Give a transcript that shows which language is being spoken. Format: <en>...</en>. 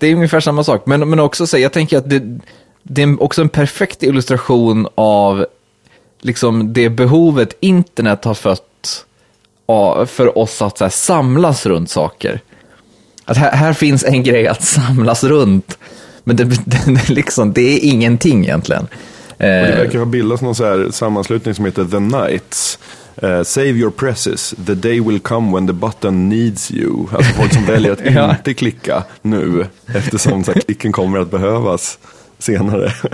<sv>Det är ungefär samma sak. Men också så, jag tänker att det är också en perfekt illustration av liksom det behovet internet har fött för oss att så här, samlas runt saker. Att här finns en grej att samlas runt. Men det är ingenting egentligen. Och det verkar ha bildats någon så här sammanslutning som heter The Knights.</sv> <en>Save your presses, the day will come when the button needs you.</en> <sv>Alltså folk som väljer att ja. Inte klicka nu, eftersom så här, klicken kommer att behövas senare.</sv>